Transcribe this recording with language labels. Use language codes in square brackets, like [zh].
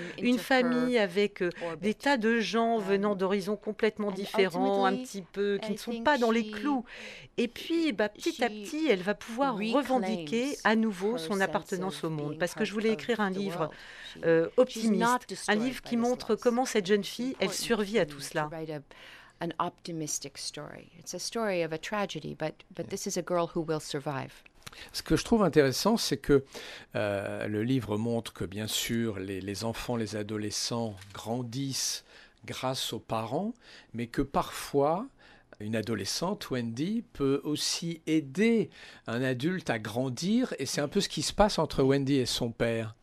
[fr] Une famille avec des tas de gens venant d'horizons complètement différents, un petit peu, qui ne sont pas dans les clous. Et puis, petit à petit, elle va pouvoir revendiquer à nouveau son appartenance au monde. Parce que je voulais écrire un livre optimiste, un livre qui montre comment cette jeune fille, elle survit à tout cela. [en] An optimistic story. It's a story of a tragedy, but this is a girl who will survive. [fr] Ce que je trouve intéressant, c'est que le livre montre que, bien sûr, les enfants, les adolescents grandissent grâce aux parents, mais que parfois, une adolescente, Wendy, peut aussi aider un adulte à grandir, et c'est un peu ce qui se passe entre Wendy et son père.